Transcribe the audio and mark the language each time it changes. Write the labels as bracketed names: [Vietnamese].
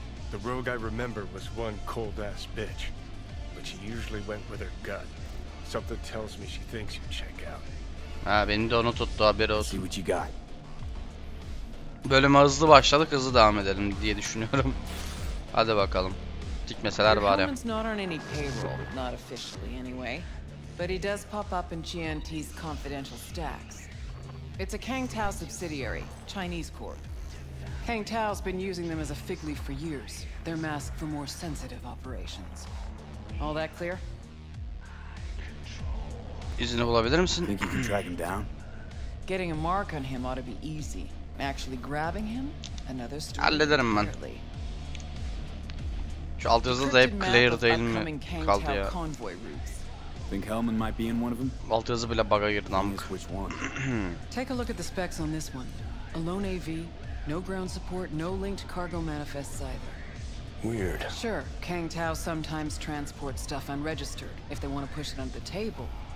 [English] The rogue I remember was one cold ass bitch. But she usually went with her gut. Something tells me she thinks you check out. [Turkish] Ha, beni de onu tuttu, haberi olsun. [English] See what you got. [Turkish] Bölüme hızlı başladık, hızlı devam edelim diye düşünüyorum. Hadi bakalım. Dikmeseler bari. [English] Hellman's not on any payroll, not officially anyway. But he does pop up in Chianti's confidential stacks. It's a Kang Tao subsidiary, Chinese Corp. Kang Tao's been using them as a fig leaf for years. They're masked for more sensitive operations. All that clear? [Turkish] İzini bulabilir misin? [English] Think you can track him down? Getting a mark on him ought to be easy. Actually grabbing him? Another story. [Turkish] Hallederim ben. Şu alt yazılı da hep Claire değil mi kaldı ya? [English] Think Hellman might be in one of them. [Turkish] Alt yazı bile bug'a girdi namık. [English] Take a look at the specs on this one. A lone AV, no ground support, no linked cargo manifests either. Weird. Sure, Kang Tao sometimes transport stuff unregistered if they want to push it under the table.